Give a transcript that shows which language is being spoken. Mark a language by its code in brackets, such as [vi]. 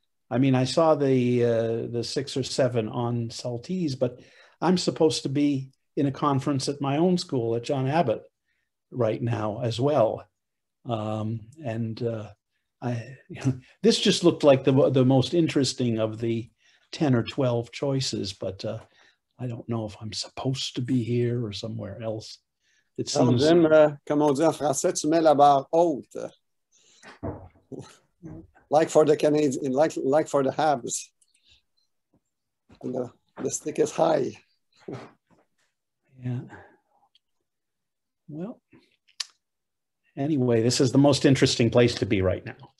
[en] I mean, I saw the six or seven on Saltese, but I'm supposed to be in a conference at my own school at John Abbott right now as well. This just looked like the most interesting of the 10 or 12 choices, but I don't know if I'm supposed to be here or somewhere else. It seems. [fr] Alors, Jim, comme on dit en français, tu mets la barre haute. [en] Like for the Canadian, like for the Habs. The stick is high. Yeah. Well, anyway, this is the most interesting place to be right now.